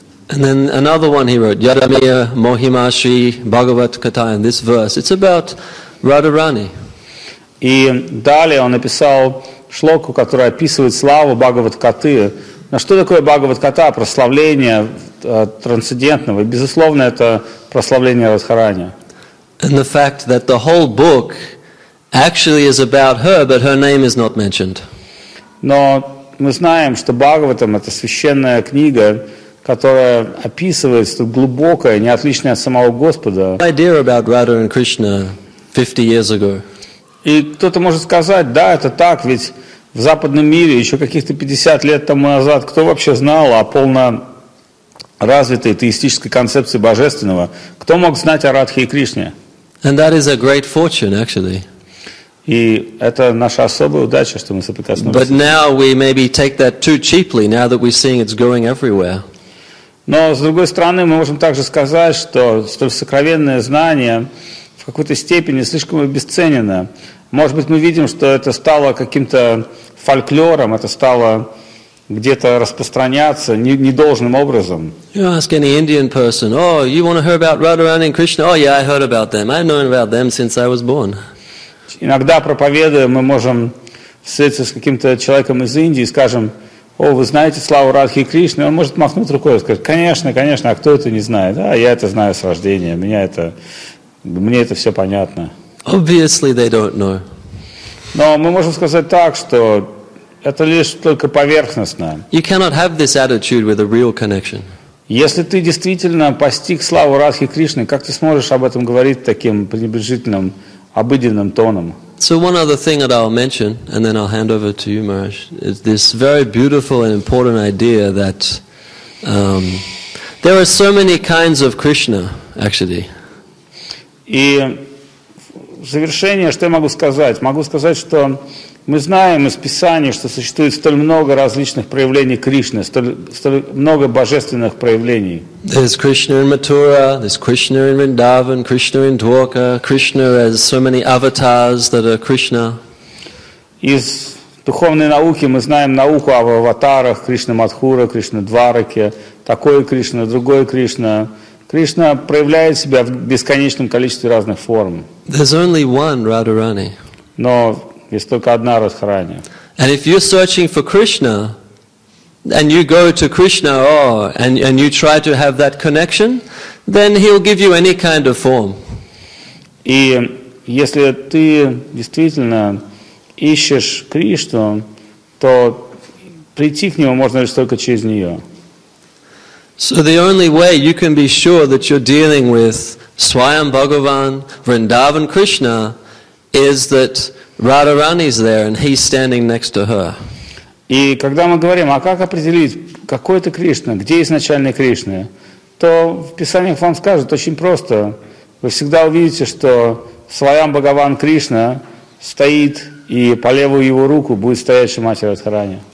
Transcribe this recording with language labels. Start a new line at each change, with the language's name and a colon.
English: And then another one he wrote, Yadamiya Mohimashi Bhagavat Katayan, this verse, it's about Radharani.
Russian: И далее он написал шлоку, которая описывает славу Бхагават-каты. Но что такое Бхагават-ката? Прославление трансцендентного. И, безусловно, это прославление Радхарани.
English: And the fact that the whole book actually is about her, but her name is not mentioned.
Russian: Но мы знаем, что Бхагаватам — это священная книга, которая описывает столь глубокое, неотличное от самого Господа.
English: The idea about Radha and Krishna 50 years ago.
Russian: И кто-то может сказать, да, это так, ведь в западном мире еще каких-то 50 лет тому назад кто вообще знал о полноразвитой теистической концепции божественного? Кто мог знать о Радхе и Кришне?
English: And that is a great fortune, actually.
Russian: И это наша особая удача, что мы соприкоснулись.
English: But now we maybe take that too cheaply, now that we're seeing it's going everywhere.
Russian: Но, с другой стороны, мы можем также сказать, что столь сокровенное знание в какой-то степени слишком обесценено. Может быть, мы видим, что это стало каким-то фольклором, это стало где-то распространяться недолжным образом.
English: You ask any Indian person, oh, you want to hear about Radharani and Krishna? Oh, yeah, I heard about them. I've known about them since I was born.
Russian: Иногда, проповедуя, мы можем встретиться с каким-то человеком из Индии и скажем, о, вы знаете славу Радхи и Кришны? Он может махнуть рукой и сказать, конечно, конечно, а кто это не знает? А, я это знаю с рождения, меня это... Мне это все понятно.
English: Obviously they don't know.
Russian: Но мы можем сказать так, что это лишь только поверхностно.
English: You cannot have this attitude with a real connection.
Russian: Если ты действительно постиг славу Радхи Кришны, как ты сможешь об этом говорить таким пренебрежительным, обыденным тоном?
English: So one other thing that I'll mention, and then I'll hand over to you, Maharaj, is this very beautiful and important idea that there are so many kinds of Krishna, actually.
Russian: И в завершение, что я могу сказать? Могу сказать, что мы знаем из Писания, что существует столь много различных проявлений Кришны, столь много божественных проявлений.
English: There's Krishna in Mathura, there's Krishna in Vrindavan, Krishna in Dwarka, Krishna as so many avatars that are Krishna.
Russian: Из духовной науки мы знаем науку об аватарах Кришна Мадхура, Кришна Двараки, такой Кришна, другой Кришна. Кришна проявляет себя в бесконечном количестве разных форм.
English: There's only one Radharani.
Russian: Но есть только одна Радхарани.
English: And if you're searching for Krishna, and you go to Krishna, oh, and you try to have that connection, then he'll give you any kind of form.
Russian: И если ты действительно ищешь Кришну, то прийти к нему можно лишь только через нее.
English: So the only way you can be sure that you're dealing with Swayam Bhagavan, Vrindavan Krishna, is that Radharani is there and he's standing next to her.
Russian: И когда мы говорим, а как определить, какой это Кришна, где изначальный Кришна, то в Писаниях вам скажут очень просто. Вы всегда увидите, что Свайам Бхагаван Кришна стоит, и по левую его руку будет стоять Шримати Радхарани.